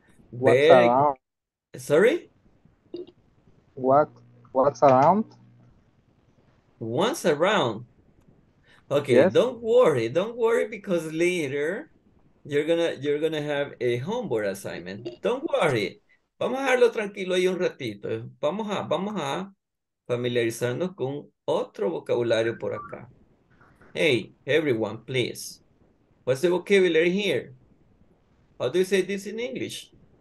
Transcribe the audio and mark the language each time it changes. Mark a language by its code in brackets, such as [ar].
[en] What's around? Once around. Okay, yes. Don't worry because later you're gonna have a homework assignment. Don't worry. [es] Vamos a dejarlo tranquilo ahí un ratito. Vamos a familiarizarnos con otro vocabulario por acá. [en] Hey, everyone, please. What's the vocabulary here? How do you say this in English?